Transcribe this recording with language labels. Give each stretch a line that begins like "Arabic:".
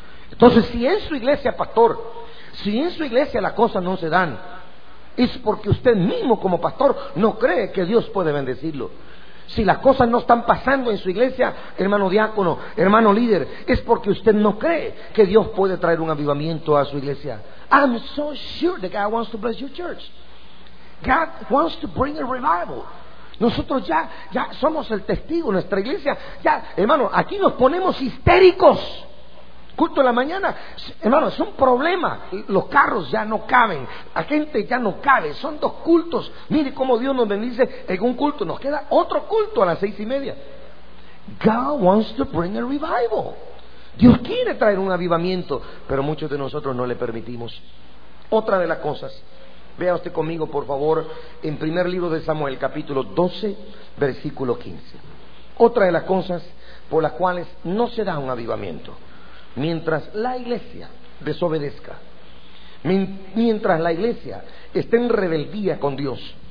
Spanish: Entonces, si en su iglesia, pastor, si en su iglesia las cosas no se dan, es porque usted mismo como pastor no cree que Dios puede bendecirlo. Si las cosas no están pasando en su iglesia, hermano diácono, hermano líder, es porque usted no cree que Dios puede traer un avivamiento a su iglesia.
English: I'm so sure that God wants to bless your church. God wants to bring a revival.
Spanish: Nosotros ya somos el testigo, nuestra iglesia. Ya, hermano, aquí nos ponemos histéricos. Culto de la mañana, hermano, es un problema, los carros ya no caben, la gente ya no cabe, son 2 cultos, mire cómo Dios nos bendice en un culto, nos queda otro culto a las 6:30.
English: God wants to bring a revival.
Spanish: Dios quiere traer un avivamiento, pero muchos de nosotros no le permitimos. Otra de las cosas, vea usted conmigo por favor, en primer libro de Samuel, capítulo 12, versículo 15. Otra de las cosas por las cuales no se da un avivamiento: mientras la iglesia desobedezca, mientras la iglesia esté en rebeldía con Dios.